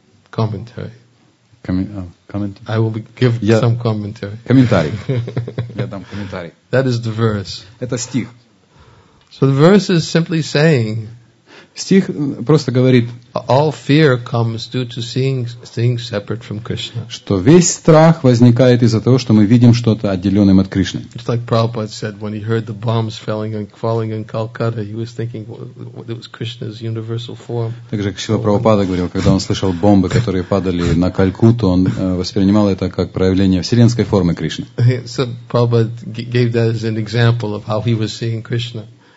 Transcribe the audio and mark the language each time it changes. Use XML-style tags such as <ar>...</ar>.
<en>Commentary. Commentary. I will give some commentary.</en> <ru>Комментарий. Я дам комментарий.</ru> <en>That is the verse.</en> <ru>Это стих.</ru> <en>So the verse is simply saying.</en> <ru>Стих просто говорит,</ru> <en>all fear comes due to seeing things separate from Krishna.</en> <ru>Что весь страх возникает из-за того, что мы видим что-то отделенным от Кришны.</ru> <en>It's like Prabhupada said when he heard the bombs falling in Calcutta, he was thinking it was Krishna's universal form.</en> <ru>Также Шрила Прабхупада говорил, когда он слышал бомбы, которые падали на Калькутту, он воспринимал это как проявление вселенской формы Кришны.</ru> <en>So Prabhupada gave that as an example of how he was seeing Krishna.</en>